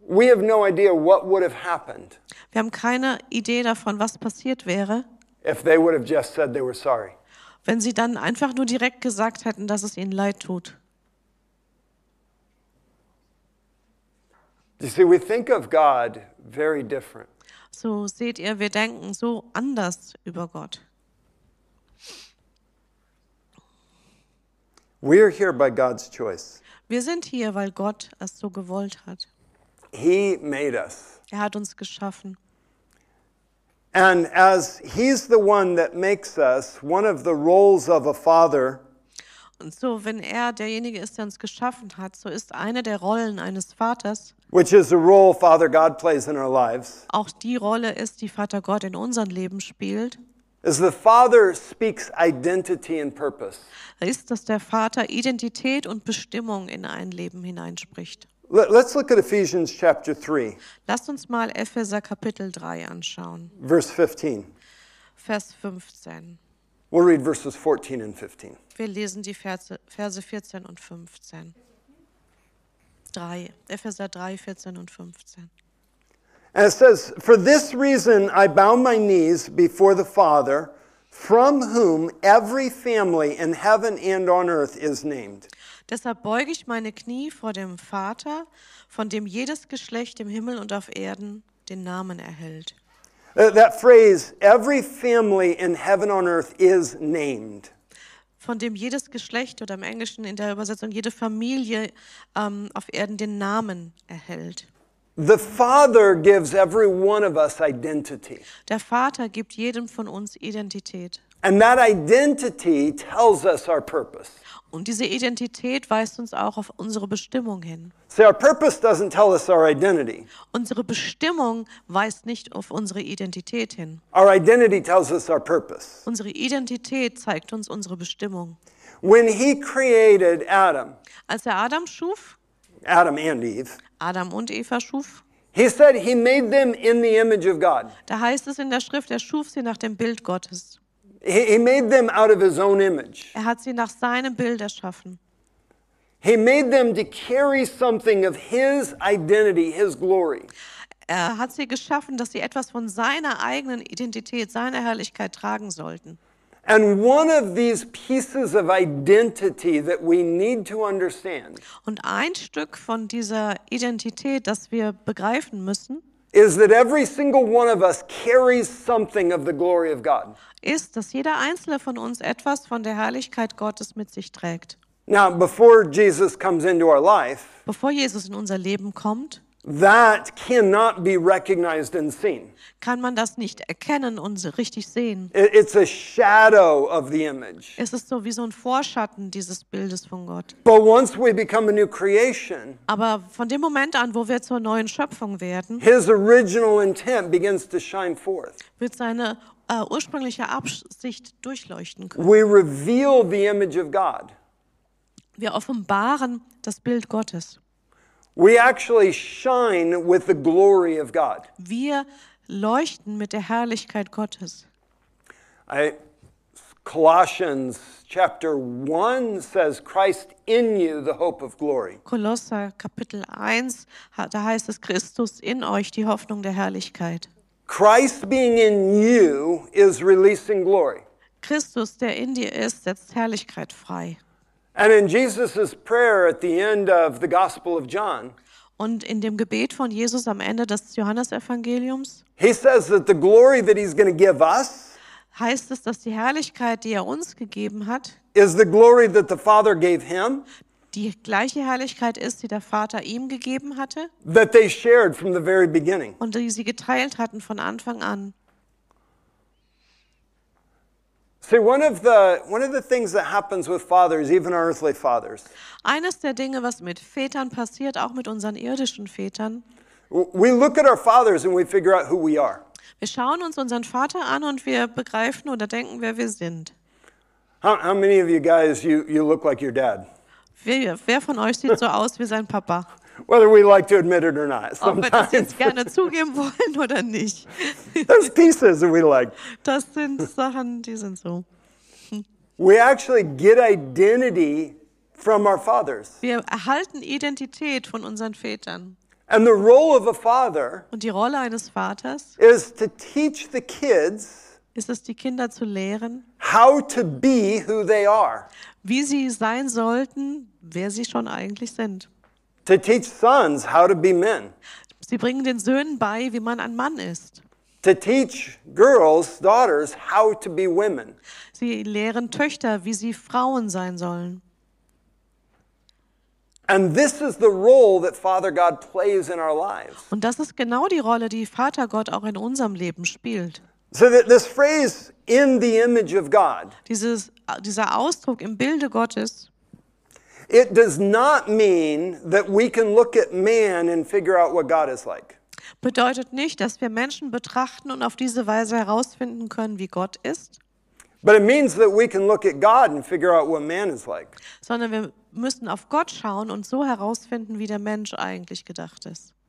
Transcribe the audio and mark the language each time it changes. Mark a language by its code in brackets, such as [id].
[en] We have no idea what would have happened. [de] Wir haben keine Idee davon, was passiert wäre. [en] If they would have just said they were sorry. [de] Wenn sie dann einfach nur direkt gesagt hätten, dass es ihnen leid tut. [en] You see, we think of God very different. [de] So seht ihr, wir denken so anders über Gott. [en] We are here by God's choice. [de] Wir sind hier, weil Gott es so gewollt hat. [en] He made us. [de] Er hat uns geschaffen. [en] And as he's the one that makes us, one of the roles of a father. [de] Und so, wenn er derjenige ist, der uns geschaffen hat, so ist eine der Rollen eines Vaters, [en] which is the role Father God plays in our lives, [de] auch die Rolle ist, die Vater Gott in unserem Leben spielt, [en] is the Father speaks identity and purpose. [de] Ist, dass der Vater Identität und Bestimmung in ein Leben hineinspricht. [en] Let's look at Ephesians chapter 3. [de] Lasst uns mal Epheser Kapitel 3 anschauen. [en] Verse 15. [de] Vers 15. [en] We'll read verses 14 and 15. [de] Wir lesen die Verse 14 und 15. Epheser 3, 14 und 15. [en] And it says, for this reason I bow my knees before the Father, from whom every family in heaven and on earth is named. [de] Deshalb beuge ich meine Knie vor dem Vater, von dem jedes Geschlecht im Himmel und auf Erden den Namen erhält. [en] That phrase, every family in heaven on earth is named. [de] Von dem jedes Geschlecht oder im Englischen in der Übersetzung jede Familie auf Erden den Namen erhält. [en] The Father gives every one of us identity. [de] Der Vater gibt jedem von uns Identität. [en] And that identity tells us our purpose. [de] Und diese Identität weist uns auch auf unsere Bestimmung hin. [en] So our purpose doesn't tell us our identity. [de] Unsere Bestimmung weist nicht auf unsere Identität hin. [en] Our identity tells us our purpose. [de] Unsere Identität zeigt uns unsere Bestimmung. [en] When he created Adam. [de] Als er Adam schuf. [en] Adam and Eve. [de] Adam und Eva schuf. [en] He said he made them in the image of God. [de] Da heißt es in der Schrift, er schuf sie nach dem Bild Gottes. [en] He made them out of his own image. [de] Er hat sie nach seinem Bild erschaffen. [en] He made them to carry something of his identity, his glory. [de] Er hat sie geschaffen, dass sie etwas von seiner eigenen Identität, seiner Herrlichkeit tragen sollten. [en] And one of these pieces of identity that we need to understand. [de] Und ein Stück von dieser Identität, das wir begreifen müssen, [en] is that every single one of us carries something of the glory of God. [de] Ist, dass jeder einzelne von uns etwas von der Herrlichkeit Gottes mit sich trägt. [en] Now, before Jesus comes into our life, [de] bevor Jesus in unser Leben kommt, [en] that cannot be recognized and seen. [de] Kann man das nicht erkennen und richtig sehen? [en] It's a shadow of the image. [de] Es ist so wie so ein Vorschatten dieses Bildes von Gott. [en] But once we become a new creation, [de] aber von dem Moment an, wo wir zur neuen Schöpfung werden, [en] his original intent begins to shine forth. [de] Wird seine ursprüngliche Absicht durchleuchten können. [en] We reveal the image of God. [de] Wir offenbaren das Bild Gottes. [en] We actually shine with the glory of God. [de] Wir leuchten mit der Herrlichkeit Gottes. I [en] Colossians chapter 1 says Christ in you, the hope of glory. [de] Kolosser Kapitel 1, da heißt es Christus in euch, die Hoffnung der Herrlichkeit. [en] Christ being in you is releasing glory. [de] Christus, der in dir ist, setzt Herrlichkeit frei. [en] And in Jesus's prayer at the end of the Gospel of John, [de] und in dem Gebet von Jesus am Ende des Johannesevangeliums, [en] he says that the glory that he's going to give us, [de] heißt es, dass die Herrlichkeit, die er uns gegeben hat, [en] is the glory that the Father gave him, [de] die gleiche Herrlichkeit ist, die der Vater ihm gegeben hatte, [en] that they shared from the very beginning, [de] und die sie geteilt hatten von Anfang an. [en] See, one of the things that happens with fathers, even our earthly fathers. [de] Eines der Dinge, was mit Vätern passiert, auch mit unseren irdischen Vätern. [en] We look at our fathers and we figure out who we are. [de] Wir schauen uns unseren Vater an und wir begreifen oder denken, wer wir sind. [en] How many of you guys you look like your dad? [de] Wer von euch sieht so aus wie sein Papa? [en] Whether we like to admit it or not, sometimes. [de] Ob wir das jetzt gerne zugeben wollen oder nicht. [en] There's pieces that we like. [de] Das sind Sachen, die sind so. [en] We actually get identity from our fathers. [de] Wir erhalten Identität von unseren Vätern. [en] And the role of a father, [de] und die Rolle eines Vaters, [en] is to teach the kids, [de] ist es, die Kinder zu lehren, [en] how to be who they are, [de] wie sie sein sollten, wer sie schon eigentlich sind. [en] To teach sons how to be men. [de] Sie bringen den Söhnen bei, wie man ein Mann ist. [en] To teach girls, daughters, how to be women. [de] Sie lehren Töchter, wie sie Frauen sein sollen. [en] And this is the role that Father God plays in our lives. [de] Und das ist genau die Rolle, die Vater Gott auch in unserem Leben spielt. [en] So that this phrase in the image of God. [de] Dieser Ausdruck im Bilde Gottes. [en] It does not mean that we can look at man and figure out what God is like. [de] Bedeutet nicht, dass wir Menschen betrachten und auf diese Weise herausfinden können, wie Gott ist. [en] But it means that we can look at God and figure out what man is like. [de] Sondern wir müssen auf Gott schauen und so herausfinden, wie der Mensch eigentlich gedacht ist.